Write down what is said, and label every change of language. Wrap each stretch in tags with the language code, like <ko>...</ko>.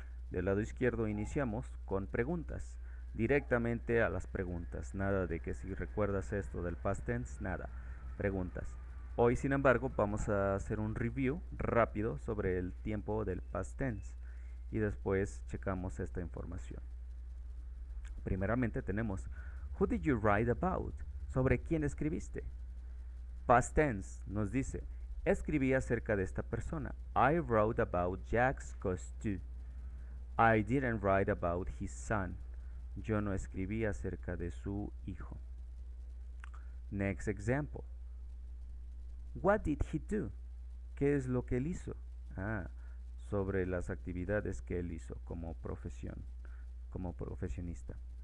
<es>Del lado izquierdo iniciamos con preguntas, directamente a las preguntas, nada de que si recuerdas esto del past tense, nada, preguntas. Hoy, sin embargo, vamos a hacer un review rápido sobre el tiempo del past tense y después checamos esta información. Primeramente tenemos,</es> <en>"Who did you write about?"</en> <es>¿Sobre quién escribiste? Past tense nos dice, "Escribí acerca de esta persona."</es> <en>"I wrote about Jacques Cousteau." "I didn't write about his son."</en> <es>Yo no escribí acerca de su hijo.</es> <en>Next example. "What did he do?"</en> <es>¿Qué es lo que él hizo? Ah, sobre las actividades que él hizo como profesión, como profesionista.</es>